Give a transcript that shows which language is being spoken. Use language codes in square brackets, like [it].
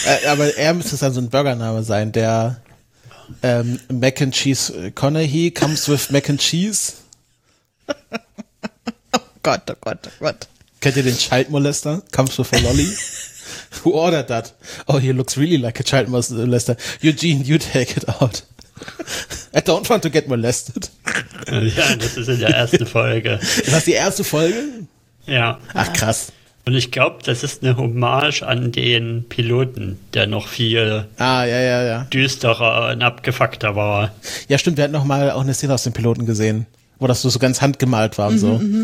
[de] Aber er müsste dann so ein Burgername sein, der Mac and Cheese Connehy [en] comes with Mac and Cheese. [de] Oh Gott. Kennt ihr den Child Molester? [en] Comes with a lolly? Who ordered that? Oh, he looks really like a Child Molester. Eugene, you take it out. I don't want to get molested. [de] Ja, das ist in der ersten Folge. Ist das die erste Folge? Ja. Ach, krass. Und ich glaube, das ist eine Hommage an den Piloten, der noch viel düsterer und abgefuckter war. Ja, stimmt. Wir hatten noch mal auch eine Szene aus dem Piloten gesehen, wo das so ganz handgemalt war und so.